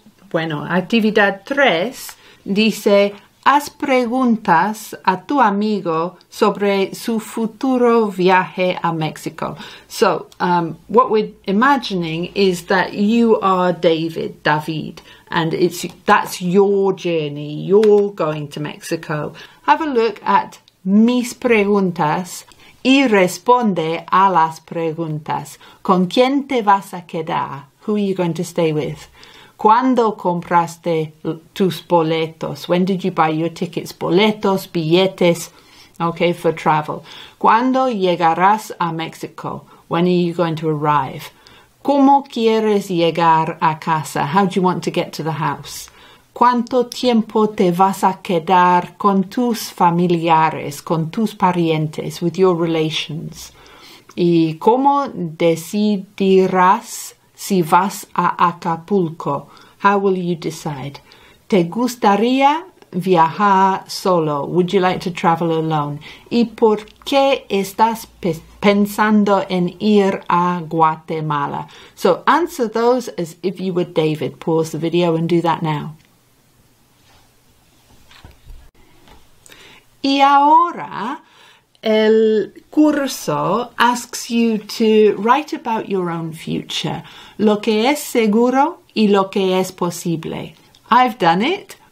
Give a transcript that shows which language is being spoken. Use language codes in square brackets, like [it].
[es] Bueno, actividad 3 dice, haz preguntas a tu amigo sobre su futuro viaje a México. [en] So, what we're imagining is that you are David, and that's your journey, you're going to Mexico. Have a look at [es] mis preguntas y responde a las preguntas. ¿Con quién te vas a quedar? [en] Who are you going to stay with? [es] ¿Cuándo compraste tus boletos? [en] When did you buy your tickets? Boletos, billetes, okay, for travel. [es] ¿Cuándo llegarás a México? [en] When are you going to arrive? [es] ¿Cómo quieres llegar a casa? [en] How do you want to get to the house? [es] ¿Cuánto tiempo te vas a quedar con tus familiares, con tus parientes, [en] with your relations? [es] ¿Y cómo decidirás si vas a Acapulco? [en] How will you decide? [es] ¿Te gustaría viajar solo? [en] Would you like to travel alone? [es] ¿Y por qué estás pensando en ir a Guatemala? [en] So answer those as if you were David. Pause the video and do that now. [es] Y ahora, el curso [en] asks you to write about your own future, [es] lo que es seguro y lo que es posible. [en] I've done it.